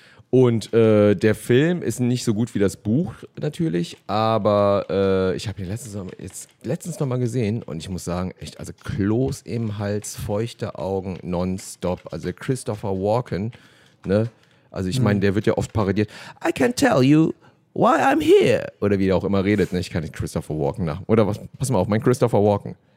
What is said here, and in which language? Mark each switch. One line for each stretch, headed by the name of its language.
German: Und der Film ist nicht so gut wie das Buch natürlich, aber ich habe ihn letztens noch mal gesehen und ich muss sagen, echt, also Kloß im Hals, feuchte Augen nonstop. Also Christopher Walken, ne? Also ich meine, der wird ja oft parodiert.
English: I can tell you why I'm here.
German: Oder wie er auch immer redet, ne? Ich kann nicht Christopher Walken nach. Oder was? Pass mal auf, mein Christopher Walken.